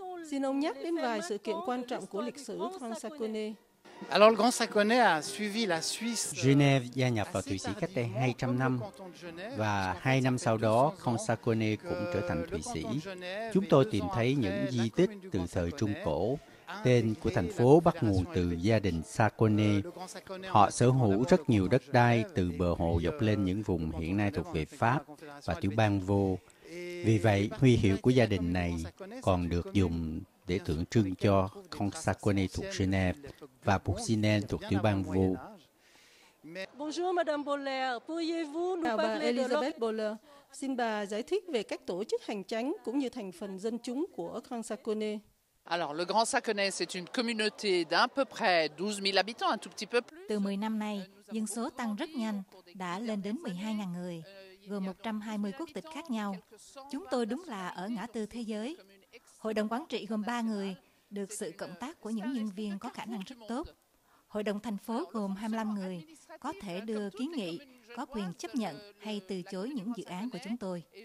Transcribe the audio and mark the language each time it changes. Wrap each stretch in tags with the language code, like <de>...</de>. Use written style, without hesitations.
<vi>Xin ông nhắc đến vài sự kiện quan trọng của lịch sử Kansakone.</vi> <fr>Alors le Grand Sacconnet a suivi la Suisse.</fr> <vi>Genève gia nhập vào Thụy Sĩ cách đây 200 năm và 2 năm sau đó Grand Sacconnet cũng trở thành Thụy Sĩ. Chúng tôi tìm thấy những di tích từ thời Trung cổ. Tên của thành phố bắt nguồn từ gia đình Sacconnet. Họ sở hữu rất nhiều đất đai từ bờ hồ dọc lên những vùng hiện nay thuộc về Pháp và tiểu bang Vaud. Vì vậy, huy hiệu của gia đình này còn được dùng để tượng trưng cho Grand Sacconnet thuộc Genève và Bourcinet thuộc tiểu bang Vaud.</vi> <fr>Bonjour madame Boller, pourriez-vous nous parler de Elizabeth Boller?</fr> <vi>Xin bà giải thích về cách tổ chức hành chánh cũng như thành phần dân chúng của Grand Sacconnet.</vi> <fr>Alors le Grand Sacconnet c'est une communauté d'un peu près 12000 habitants, un tout petit peu plus.</fr> <vi>Từ 10 năm nay, dân số tăng rất nhanh, đã lên đến 12000 người, gồm 120 quốc tịch khác nhau. Chúng tôi đúng là ở ngã tư thế giới. Hội đồng quản trị gồm 3 người, được sự cộng tác của những nhân viên có khả năng rất tốt. Hội đồng thành phố gồm 25 người, có thể đưa kiến nghị, có quyền chấp nhận hay từ chối những dự án của chúng tôi.</vi>